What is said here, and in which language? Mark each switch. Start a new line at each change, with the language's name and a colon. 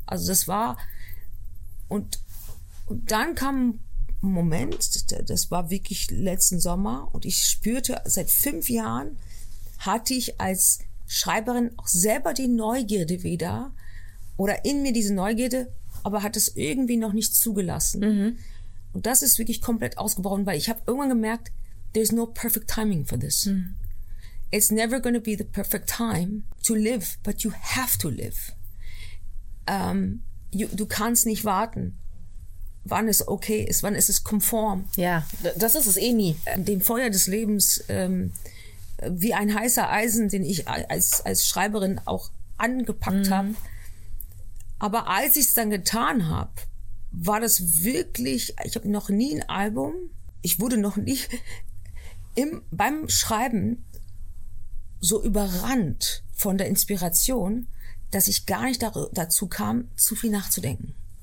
German: Also das war, und dann kam ein Moment, das war wirklich letzten Sommer, und ich spürte, seit 5 Jahren hatte ich als Schreiberin auch selber die Neugierde wieder, oder in mir diese Neugierde, aber hat es irgendwie noch nicht zugelassen. Mhm. Und das ist wirklich komplett ausgebrochen, weil ich habe irgendwann gemerkt,
English: there's no perfect timing for this. Mm. It's never going to be the perfect time to live, but you have to live.
German: Du kannst nicht warten, wann es okay ist, wann ist es konform. Ja, das ist es eh nie. Dem Feuer des Lebens, wie ein heißer Eisen, den ich als Schreiberin auch angepackt habe. Aber als ich es dann getan habe, war das wirklich, ich habe noch nie ein Album, ich wurde noch nie beim Schreiben so überrannt von der Inspiration, dass ich gar nicht dazu kam, zu viel nachzudenken.